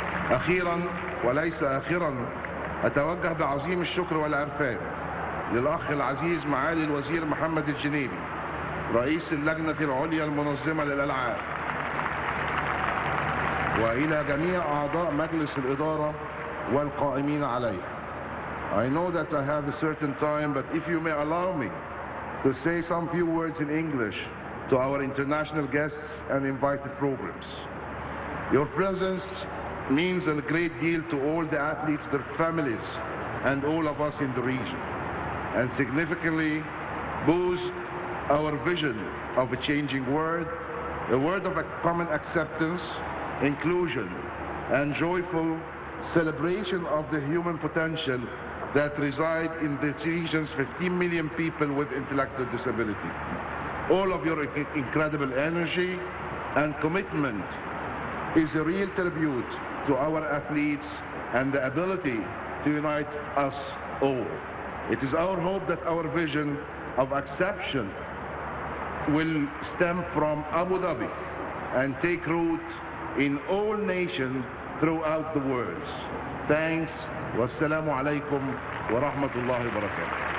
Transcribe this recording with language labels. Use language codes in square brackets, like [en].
[ar] أخيرا وليس آخرا، أتوجه بعظيم الشكر والعرفان للأخ العزيز معالي الوزير محمد الجنيبي رئيس اللجنة العليا المنظمة للألعاب، وإلى جميع أعضاء مجلس الإدارة والقائمين عليه. [en] I know that I have a certain time, but if you may allow me to say some few words in English to our international guests and invited programs. Your presence means a great deal to all the athletes, their families, and all of us in the region, and significantly boosts our vision of a changing world, a world of a common acceptance, inclusion, and joyful celebration of the human potential that reside in this region's 15 million people with intellectual disability. All of your incredible energy and commitment is a real tribute to our athletes and the ability to unite us all. It is our hope that our vision of exception will stem from Abu Dhabi and take root in all nations throughout the world. Thanks. [ar] والسلام عليكم ورحمة الله وبركاته.